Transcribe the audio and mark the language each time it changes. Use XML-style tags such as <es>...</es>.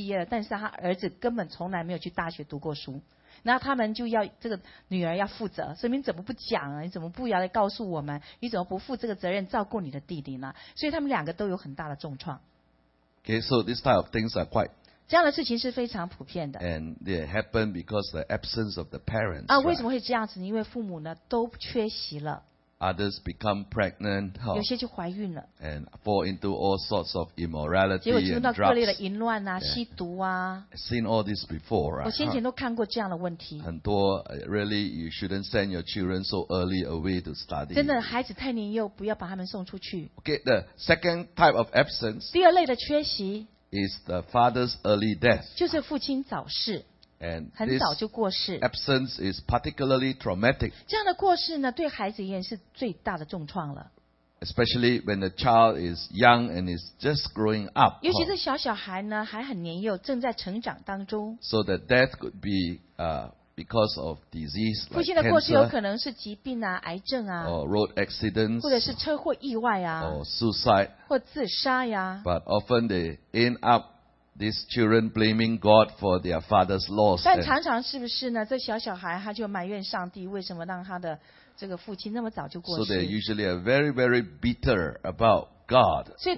<zh>我们认得呢，一对夫妻，他们就是呢，把他们的一对儿女送到美国去接受教育。结果呢，这个是大的是女孩，小的是男孩，所以呢，理所当然，他们就期待这个姐姐来照顾弟弟。但他们年纪都还很小，到那个地方要重新适应，在学校是白人学校，所以呢，他会受到种族歧视，会被人家霸凌。然后呢，英文上面能力又不足，然后之后呢，他要照顾他弟弟。那爸爸妈妈就期待说，姐姐要照顾，但是弟弟呢，更不乖，然后更不喜欢学习，所以已经好几年过去，爸妈透过这个电话啦，偶尔寒暑假过去，完全都不知道他们期待的他们的儿子是要大学毕业，但是他儿子根本从来没有去大学读过书。那他们就要这个女儿要负责，说明怎么不讲啊？你怎么不要来告诉我们？你怎么不负这个责任照顾你的弟弟呢？所以他们两个都有很大的重创。</zh> <en>Okay, so this type of things are quite.</en> <zh>这样的事情是非常普遍的。</zh> <en>And they happen because the absence of the parents.</en> <zh>啊，为什么会这样子？因为父母呢都缺席了。</zh> <en>Others become pregnant,</en> <zh>有些就怀孕了,</zh> <en>and fall into all sorts of immorality and drugs.</en> <zh>结果进入到各类的淫乱啊, yeah. 吸毒啊,</zh> <en>I've seen all this before, right?</en> <zh>我先前都看过这样的问题。很多,</zh> <en>really, you shouldn't send your children so early away to study.</en> <zh>真的,孩子太年幼, 不要把他们送出去。</zh> <en>Okay, the second type of absence,</en> <zh>第二类的缺席,</zh> <en>is the father's early death.</en> <zh>就是父亲早逝。</zh> <en>And</en> <zh>很早就过世,</zh> <en>absence is particularly traumatic.</en> <zh>这样的过世呢, 对孩子而言是最大的重创了。</zh> <en>Especially when the child is young and is just growing up.</en> <zh>尤其是小小孩呢, 还很年幼, 正在成长当中。</zh> <en>So the death could be because of disease like</en> <zh>父亲的过世有可能是疾病啊, 癌症啊,</zh> <en>or road accidents,</en> <zh>或者是车祸意外啊,</zh> <en>or suicide,</en> <zh>或自杀呀。</zh> <en>But often they end up these children blaming God for their father's loss.</en> <zh>但常常是不是呢, 这小小孩他就埋怨上帝为什么让他的这个父亲那么早就过世。</zh> <en>So they're usually very, very bitter about God.</en>